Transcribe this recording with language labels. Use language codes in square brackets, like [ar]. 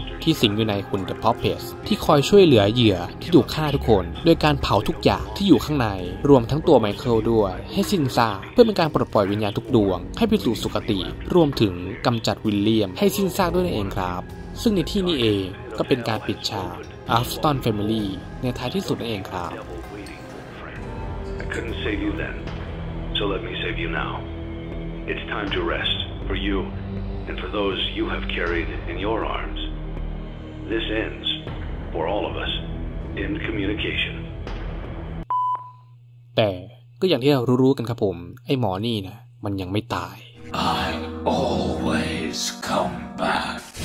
[th] ที่สิงอยู่ในหุ่นเดอะพ็อปเพสที่คอยช่วยเหลือเหยื่อที่ถูกฆ่าทุกคนโดยการเผาทุกอย่างที่อยู่ข้างในรวมทั้งตัวไมเคิลด้วยให้สิ้นซากเพื่อเป็นการปลดปล่อยวิญญาณทุกดวงให้ไปสู่สุคติรวมถึงกำจัดวิลเลียมให้สิ้นซากด้วยนั่นเองครับซึ่งในที่นี้เองก็เป็นการปิดฉากAfton Family ในท้ายที่สุดนั่นเองครับ [en] I couldn't save you then, so let me save you now. It's time to rest for you and for those you have carried in your arms. This ends for all of us in communication. [th] แต่ก็อย่างที่เรารู้ๆกันครับผมไอ้หมอนี่นะมันยังไม่ตาย [en] I always come back